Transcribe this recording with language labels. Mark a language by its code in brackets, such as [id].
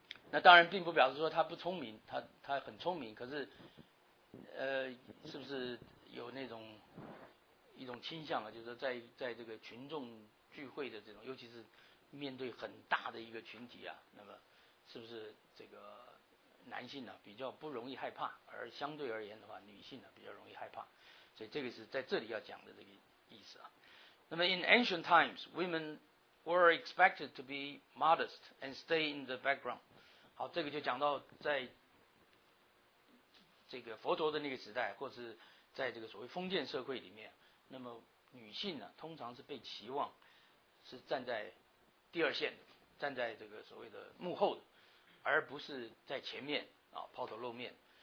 [zh] 那当然并不表示说他不聪明，他很聪明，可是是不是有那种一种倾向啊，就是在这个群众聚会的这种，尤其是面对很大的一个群体啊，那么是不是这个男性呢、啊、比较不容易害怕，而相对而言的话女性呢、啊、比较容易害怕，所以这个是在这里要讲的这个意思啊。 [en] 那么 in ancient times women were expected to be modest and stay in the background。 [zh] 好，这个就讲到在这个佛陀的那个时代，或是在这个所谓封建社会里面，那么女性呢、啊，通常是被期望是站在第二线的，站在这个所谓的幕后的，而不是在前面啊抛头露面。